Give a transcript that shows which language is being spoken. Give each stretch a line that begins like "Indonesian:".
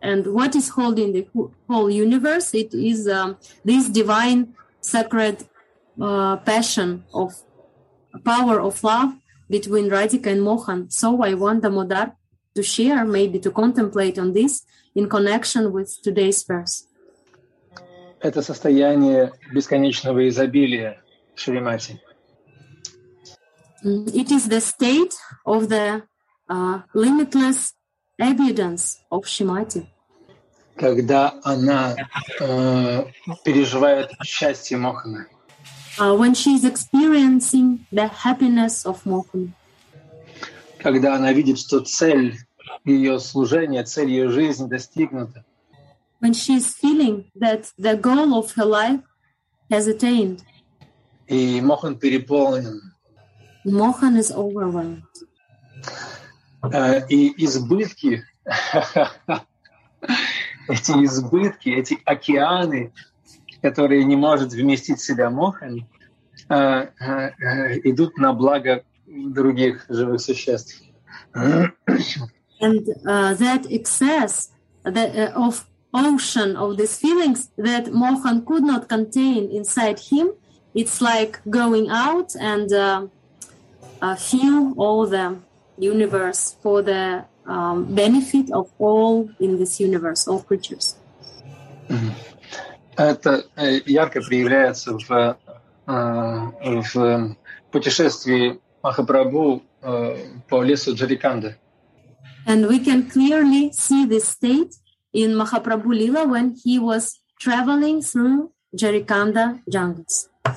English: And what is holding the whole universe? It is this divine, sacred passion of power of love between Radhika and Mohan. So I want Damodar to share, maybe to contemplate on this in connection with today's verse.
Russian: Это состояние бесконечного изобилия Шримати.
English: It is the state of the limitless abundance of Shrimati.
Russian: Когда она переживает счастье Мохана.
English: When she is experiencing the happiness of Mohana.
Russian: Когда она видит, что цель ее служения, цель ее жизни достигнута.
English: When she is feeling that the goal of her life has attained.
Russian: И Мохан переполнен.
English: Mohan is overwhelmed.
Russian: И избытки, эти избытки, эти океаны, которые не может вместить в себя Мохан, идут на благо других живых существ.
English: And that excess of ocean of these feelings that Mohan could not contain inside him, it's like going out and fill all the universe for the benefit of all in this universe, all creatures.
Russian: Это ярко проявляется в путешествии Махапрабху по лесу Джариканды.
English: And we can clearly see this state in Mahaprabhu Lila when he was traveling through Jarikanda jungles.